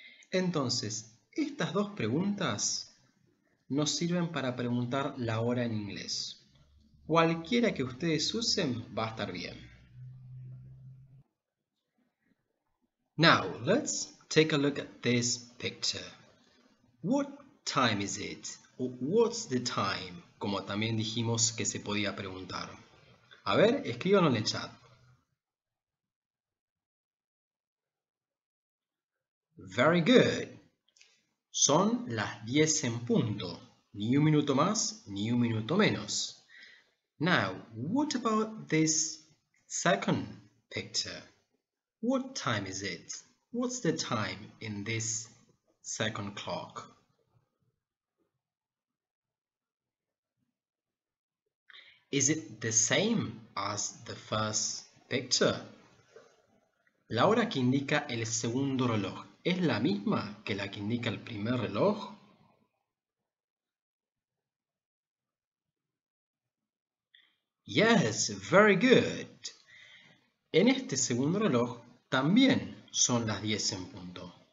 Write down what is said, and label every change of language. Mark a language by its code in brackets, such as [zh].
[es] Entonces, estas dos preguntas nos sirven para preguntar la hora en inglés. Cualquiera que ustedes usen va a estar bien. [en] Now, let's take a look at this picture. What time is it? Or what's the time? [es] Como también dijimos que se podía preguntar. A ver, escríbanlo en el chat. [en] Very good. [es] Son las 10 en punto. Ni un minuto más, ni un minuto menos. [en] Now, what about this second picture? What time is it? What's the time in this second clock? Is it the same as the first picture? [es] La hora que indica el segundo reloj, ¿es la misma que la que indica el primer reloj? [en] Yes, very good. [es] En este segundo reloj también son las 10 en punto.